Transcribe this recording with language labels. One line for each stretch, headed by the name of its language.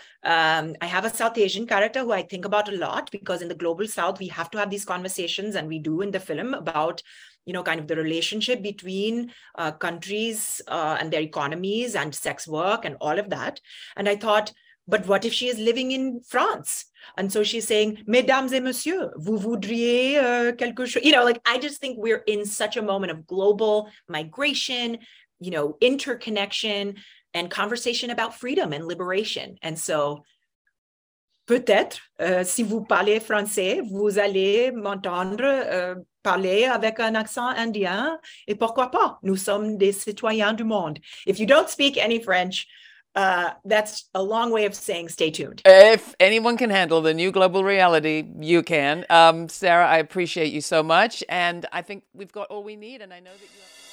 English: I have a South Asian character who I think about a lot because in the global South, we have to have these conversations and we do in the film about, you know, kind of the relationship between countries and their economies and sex work and all of that. And I thought, but what if she is living in France? And so she's saying,
French: mesdames et messieurs, vous voudriez quelque chose?
English: You know, like, I just think we're in such a moment of global migration, you know, interconnection and conversation about freedom and liberation. And so
French: peut-être, si vous parlez français, vous allez m'entendre parler avec un accent indien, et pourquoi pas, nous sommes des citoyens du monde.
English: If you don't speak any French, that's a long way of saying stay tuned. If anyone can handle the new global reality, you can. Sarah, I appreciate you so much, and I think we've got all we need, and I know that you are...